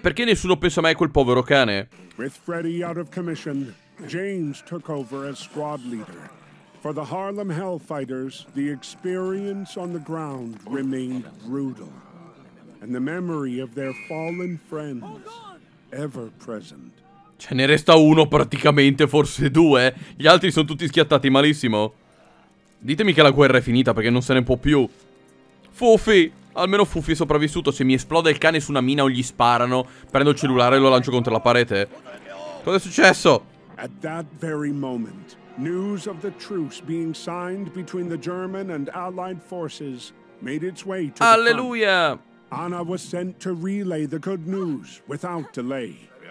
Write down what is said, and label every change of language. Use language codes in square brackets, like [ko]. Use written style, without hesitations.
[it] Perché nessuno pensa mai a quel povero cane? [en] With Freddy out of commission, James took over as squad leader. For the Harlem Hellfighters, the experience on the ground remained brutal. And the memory of their fallen friends ever present. [it] Ce ne resta uno praticamente, forse due. Gli altri sono tutti schiattati malissimo. Ditemi che la guerra è finita perché non se ne può più. Fuffy! Almeno Fuffy è sopravvissuto. Se mi esplode il cane su una mina o gli sparano, prendo il cellulare e lo lancio contro la parete. Cosa è successo? [en] At that very moment, news of the truce being signed between the German and Allied forces made its way to the front. Alleluia! Anna was sent to relay the good news without delay.